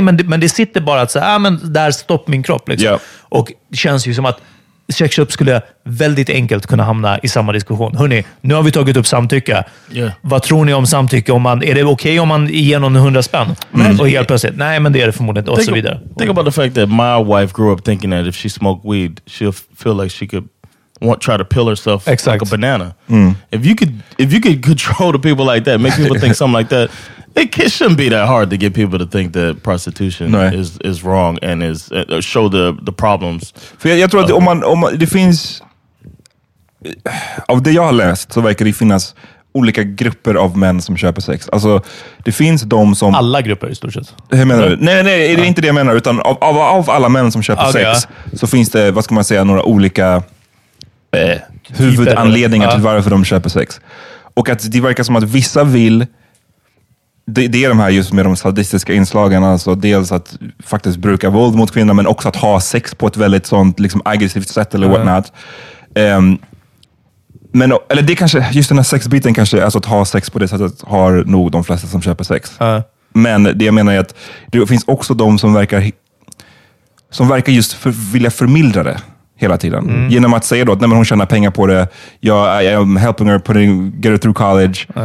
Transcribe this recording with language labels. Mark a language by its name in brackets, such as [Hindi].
[Swedish] Men det sitter bara att säga, men där stopp min kropp. Liksom. Ja. Och det känns ju som att sexköp skulle väldigt enkelt kunna hamna i samma diskussion. Hörrni, nu har vi tagit upp samtycke. [English] Yeah. [Swedish] Vad tror ni om samtycke? Är det okej om man ger någon 100 spänn? Och helt plötsligt, nej, men det är det förmodligen inte. Och så vidare. [English] Think about the fact that my wife grew up thinking that if she smoked weed, she'll feel like she could won't try to pill herself like a banana. If you could control the people like that, make people think something like that, it shouldn't be that hard to get people to think that prostitution is wrong and is show the problems. [Swedish] För jag tror att om man det finns, av det jag har läst så verkar det finnas olika grupper av män som köper sex. Alltså det finns de som, alla grupper i stort sett. Hur menar du? Nej, är det inte det jag menar, utan av alla män som köper sex så finns det, vad ska man säga, några olika huvudanledningar till varför de köper sex. Och att det verkar som att vissa vill, det är de här just med de sadistiska inslagen, alltså dels att faktiskt bruka våld mot kvinnor, men också att ha sex på ett väldigt sånt liksom aggressivt sätt eller whatnot. Men eller det kanske, just den här sexbiten kanske, alltså att ha sex på det sättet har nog de flesta som köper sex. Men det jag menar är att det finns också de som verkar just vilja förmildra det hela tiden. Mm. Genom att säga då att hon tjänar pengar på det. [English] I'm helping her get her through college.